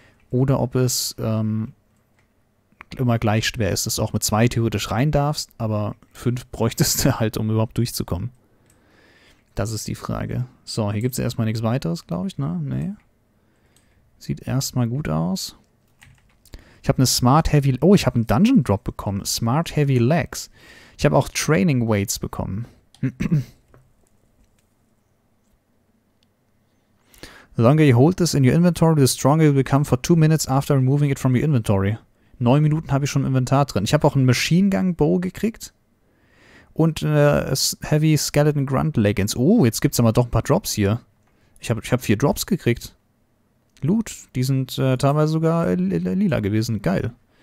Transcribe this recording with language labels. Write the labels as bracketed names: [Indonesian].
[German] Oder ob es immer gleich schwer ist, dass du auch mit 2 theoretisch rein darfst, aber 5 bräuchtest du halt, um überhaupt durchzukommen. Das ist die Frage. So, hier gibt es erstmal nichts weiteres, glaube ich, ne? Nee. Sieht erstmal gut aus. Ich habe eine Smart Heavy... Oh, ich habe einen Dungeon Drop bekommen. Smart Heavy Legs. Ich habe auch Training Weights bekommen. [English] The longer you hold this in your inventory, the stronger you become for 2 minutes after removing it from your inventory. [German] 9 Minuten habe ich schon im Inventar drin. Ich habe auch einen Machine Gun Bow gekriegt. Und Heavy Skeleton Grunt Leggings. Oh, jetzt gibt es aber doch ein paar Drops hier. Ich hab 4 Drops gekriegt. Loot, die sind teilweise sogar lila gewesen. Geil.